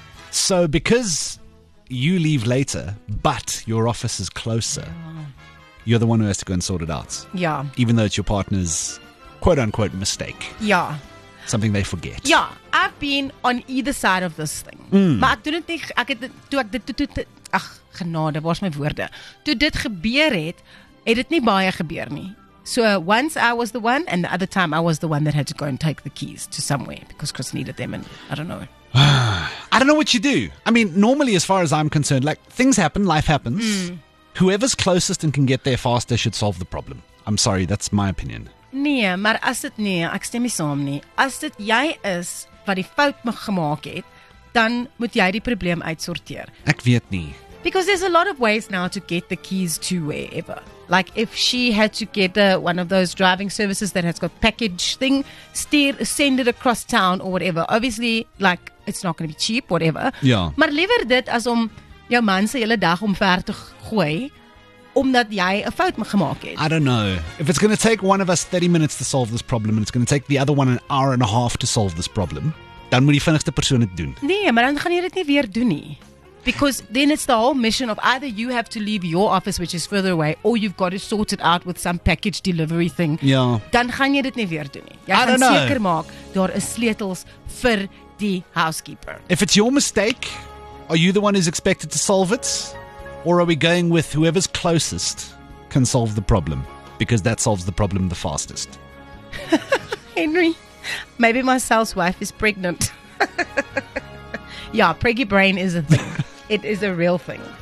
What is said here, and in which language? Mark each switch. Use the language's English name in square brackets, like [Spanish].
[English] So because you leave later, but your office is closer, you're the one who has to go and sort it out. Yeah. Even though it's your partner's quote-unquote mistake. Yeah. Something they forget. Yeah. I've been on either side of this thing. [Afrikaans] Maar ek doen dit nie, ek het, toe ek dit, ach, genade, waar is my woorde? Toe dit gebeur het, het dit nie baie gebeur nie. [English] So once I was the one, and the other time I was the one that had to go and take the keys to somewhere because Chris needed them and I don't know. I don't know what you do. I mean, normally, as far as I'm concerned, like, things happen, life happens. Whoever's closest and can get there faster should solve the problem. I'm sorry, that's my opinion. [Afrikaans] Nee, maar as dit nie, ek stem nie saam nie. As dit jy is wat die fout gemaak het, dan moet jy die probleem uitsorteer. Ek weet nie. [English] Because there's a lot of ways now to get the keys to wherever. Like, if she had to get one of those driving services that has got package thing, send it across town or whatever. Obviously, like, it's not going to be cheap, whatever. [Afrikaans] Ja. Maar liever dit as om jou man se hele dag omver te gooi, omdat jy 'n fout gemaak het. [English] I don't know. If it's going to take one of us 30 minutes to solve this problem, and it's going to take the other one an hour and a half to solve this problem, [Afrikaans] dan moet die vinnigste persoon dit doen. Nee, maar dan gaan jy dit nie weer doen nie. [English] Because then it's the whole mission of either you have to leave your office, which is further away, or you've got to sort it out with some package delivery thing. Yeah. [Afrikaans] Dan gaan jy dit nie weer doen nie. Jy [English] I [Afrikaans] gaan seker maak daar is sleutels vir die housekeeper. [English] If it's your mistake, are you the one who's expected to solve it? Or are we going with whoever's closest can solve the problem? Because that solves the problem the fastest. Henry, maybe Marcel's wife is pregnant. Yeah, preggy brain is a thing. It is a real thing.